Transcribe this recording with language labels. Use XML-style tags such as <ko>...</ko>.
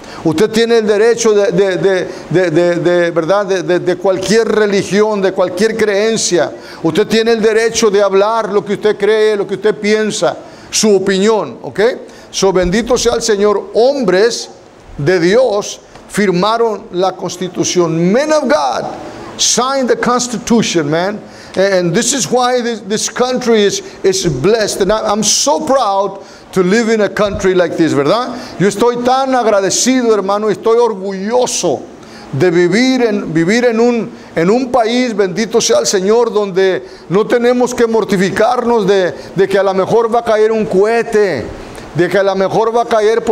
<es>Usted tiene el derecho de cualquier religión, de cualquier creencia. Usted tiene el derecho de hablar lo que usted cree, lo que usted piensa, su opinión, ¿ok? So, bendito sea el Señor, hombres de Dios firmaron la Constitución.</es> <en>Men of God signed the Constitution, man. And this is why this country is blessed. And I'm so proud to live in a country like this, ¿verdad?</en> <es>Yo estoy tan agradecido, hermano, estoy orgulloso de vivir en un país, bendito sea el Señor, donde no tenemos que mortificarnos de que a lo mejor va a caer un cohete, de que a lo mejor va a caer por</es>